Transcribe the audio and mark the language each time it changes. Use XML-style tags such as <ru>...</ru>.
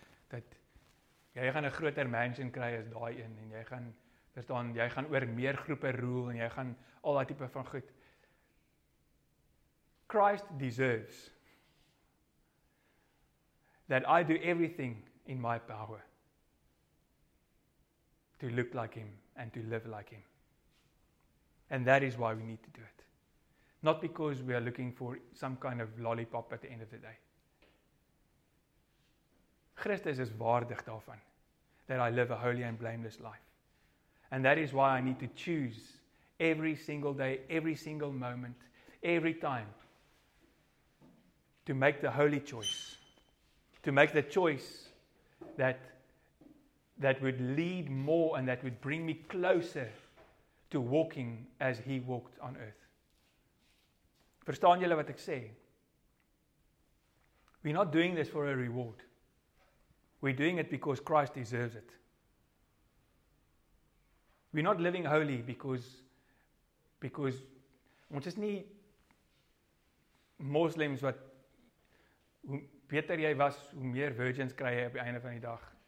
<af>Dat jy gaan 'n groter mansion kry as daai een en jy gaan verstaan jy gaan oor meer groepe rule en jy gaan al daai tipe van goed.</af> <en>Christ deserves that I do everything in my power to look like him and to live like him. And that is why we need to do it. Not because we are looking for some kind of lollipop at the end of the day.</en> <af>Christus is waardig daarvan</af> <en>that I live a holy and blameless life. And that is why I need to choose every single day, every single moment, every time to make the holy choice. To make the choice that would lead more and that would bring me closer to walking as he walked on earth.</en> <af>Verstaan julle wat ek sê?</af> <en>We're not doing this for a reward. We're doing it because Christ deserves it. We're not living holy because</en> <af>ons is nie Muslims wat hoe beter jy was, hoe meer virgins kry jy op die einde van die dag.</af>